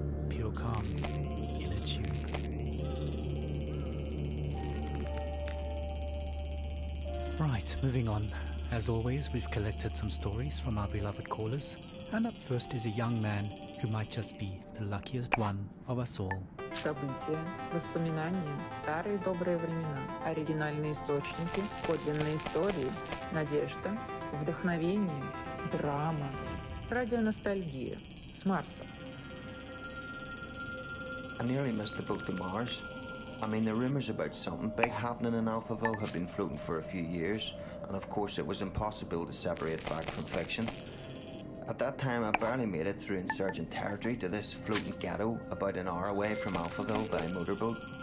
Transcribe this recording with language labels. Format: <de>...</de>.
<en>Pure calm, inner tune. Right, moving on. As always, we've collected some stories from our beloved callers, and up first is a young man who might just be the luckiest one of us all.</en> <ru>События, воспоминания, старые добрые времена, оригинальные источники, подлинные истории, надежда, вдохновение, драма, радионостальгия с Марса.</ru> <en>I nearly missed the boat to Mars. I mean, the rumors about something big happening in Alphaville have been floating for a few years, and of course it was impossible to separate fact from fiction. At that time, I barely made it through insurgent territory to this floating ghetto about an hour away from Alphaville by motorboat.</en>